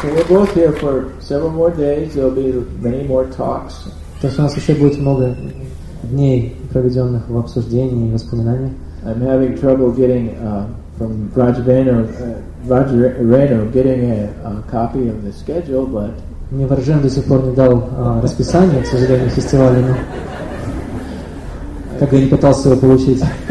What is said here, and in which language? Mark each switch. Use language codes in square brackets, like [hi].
[en] So we're both here for several more days. There'll be many more talks. [ru] То есть у нас еще будет много дней, проведенных в обсуждении и воспоминаниях. [en] I'm having trouble getting from Raju Reno getting a copy of the schedule, but. [ru] Мне Варжен до сих пор не дал расписание, к сожалению, фестиваля, но как я не пытался его получить.